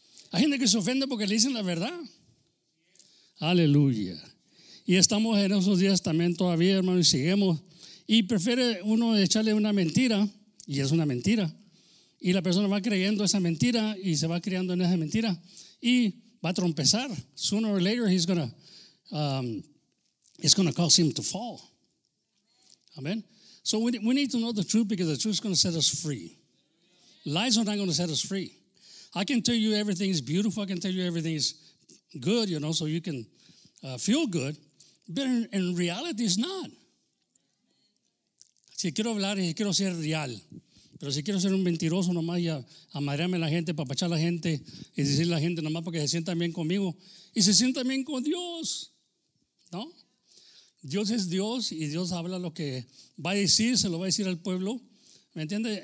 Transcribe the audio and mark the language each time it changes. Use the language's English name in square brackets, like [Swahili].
[Spanish] Hay gente que se ofende porque le dicen la verdad. Aleluya. Y estamos en esos días también todavía, hermano, y seguimos. Y prefiere uno echarle una mentira, y es una mentira. Y la persona va creyendo esa mentira y se va creyendo en esa mentira y va a trompezar. [English] Sooner or later he's gonna it's gonna cause him to fall. Amen. So we need to know the truth, because the truth is gonna set us free. Lies are not gonna set us free. I can tell you everything is beautiful. I can tell you everything is good, you know, so you can feel good. But in reality, it's not. [Spanish] Si quiero hablar y quiero ser real. Pero si quiero ser un mentiroso nomás y amarearme a la gente, papachar a la gente y decirle a la gente nomás para que se sientan bien conmigo y se sientan bien con Dios, ¿no? Dios es Dios y Dios habla lo que va a decir, se lo va a decir al pueblo, ¿me entiendes?